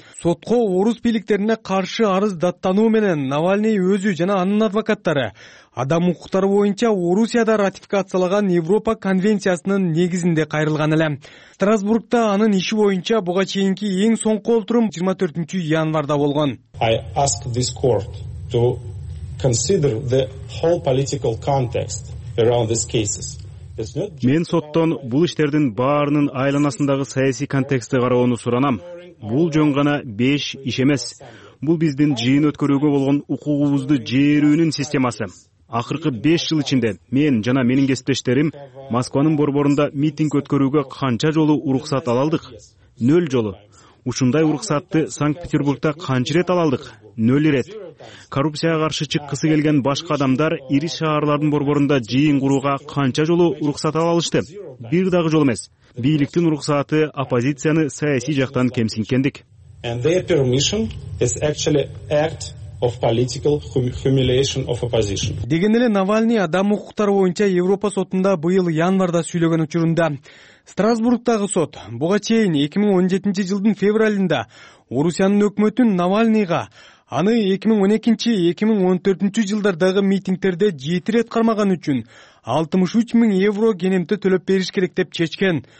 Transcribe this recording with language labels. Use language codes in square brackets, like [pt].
[ky] Сотко орус бийликтерине каршы арыз даттануу менен Навальный өзү жана анын адвокаттары адам укуктары боюнча Орусияда ратификациялаган Европа конвенциясынын негизинде кайрылган эле. Страсбургда анын иши боюнча буга чейинки эң соңку олтурум 24 январда болгон. [en] I ask this court to consider the whole political context around these cases. [ky] Мен соттон бул иштердин баарынын айланасындагы саясий контексти кароону суранам. Бул жөн гана 5 иш эмес. Бул биздин жыйын өткөрүүгө болгон укугубузду жээрүүнүн системасы. Акыркы 5 жыл ичинде мен жана менин кесиптештерим Москванын борборунда митинг өткөрүүгө канча жолу уруксат ала алдык? 0 жолу. Ушундай уруксатты Санкт-Петербургда канча ирет ала алдык? 0 ирет. Коррупцияга каршы чыккысы келген башка адамдар ири шаарлардын борборунда жыйын курууга канча жолу уруксат ала алышты? Бир дагы жолу эмес. Бийликтин уруксаты оппозицияны саясий жактан кемсинткендик. [en] And their permission is actually act of political humiliation of opposition. [ky] Деген эле Навальный адам укуктары боюнча Европа сотунда быйыл январда сүйлөгөн учурунда Страсбургдагы сот буга чейин 2017 жылдын февралында Орусиянын өкмөтүн Навальныйга аны 2012-2014 жылдардагы митингтерде 7 ирет кармаган үчүн 63 000 евро кенемте төлөп бериш керек деп чечкен.